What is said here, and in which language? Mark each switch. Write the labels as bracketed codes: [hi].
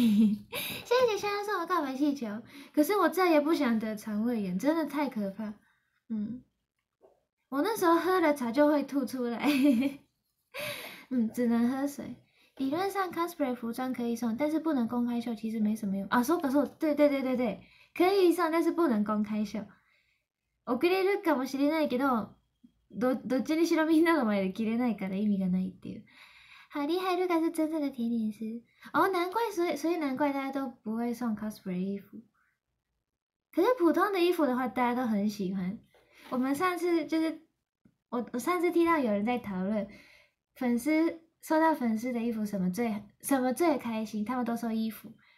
[zh] 谢谢香香送我告白气球，可是我再也不想得肠胃炎，真的太可怕。嗯，我那时候喝了茶就会吐出来。嗯，只能喝水。理论上 cosplay 服装可以送，但是不能公开秀，其实没什么用啊。说不说，对对对对对，可以送，但是不能公开秀。 [ja] 送れるかもしれないけど、どっちにしろみんなの前で着れないから意味がないっていう。 [zh] 好厉害，露卡是真正的甜点师哦，难怪所以难怪大家都不会送 cosplay 衣服。可是普通的衣服的话，大家都很喜欢。我们上次就是我上次听到有人在讨论粉丝收到粉丝的衣服什么最开心，他们都收衣服。